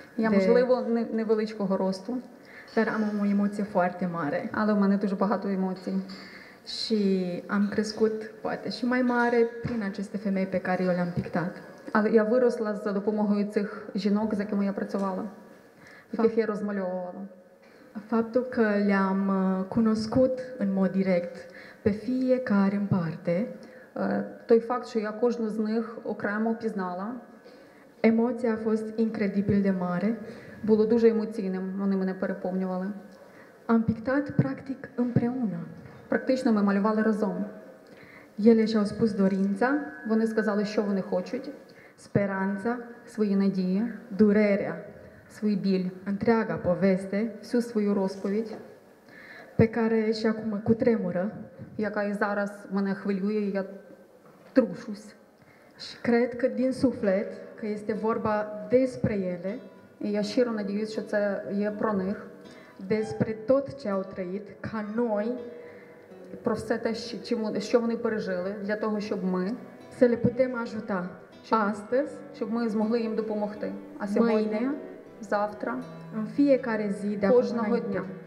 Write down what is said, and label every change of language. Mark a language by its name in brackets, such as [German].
[Ukrainian] я можливо невеличкого росту, [Romanian] dar am o emoție foarte mare. [Ukrainian] Але у мене дуже багато емоцій. [Romanian] Și am crescut, poate și mai mare, prin aceste femei pe care eu le-am pictat. [Ukrainian] Але я виросла за допомогою цих жінок, з якими я працювала, яких я розмальовувала. [Romanian] Faptul că le-am cunoscut în mod direct pe fiecare în parte, [Ukrainian] той факт, що я кожну з них окремо пізнала. Емоція [Romanian] a fost incredibil de mare. [Ukrainian] Було дуже емоційним, вони мене переповнювали. [Romanian] Am pictat practic împreună. [Ukrainian] Практично ми малювали разом. [Romanian] Ele și-au spus dorința. [Ukrainian] Вони сказали, що вони хочуть. [Romanian] Speranța, [Ukrainian] свої надії. [Romanian] Durerea, [Ukrainian] свій біль. [Romanian] Întreaga poveste, [Ukrainian] всю свою розповідь. [Romanian] Pe care și acum cutremură. [Ukrainian] Яка і зараз мене хвилює, я трушусь. [Romanian] Și cred că din suflet, că este vorba despre ele, [Ukrainian] я щиро надіюсь, що це є про них, [Romanian] despre tot ce au trăit, ca noi, [Ukrainian] про все те, що вони пережили, для того, щоб ми, [Romanian] să le putem ajuta, astăzi, [Ukrainian] щоб ми змогли їм допомогти, а сьогодні, [Romanian] mâine, [Ukrainian] завтра, [Romanian] în fiecare zi, de [Ukrainian] кожного дня.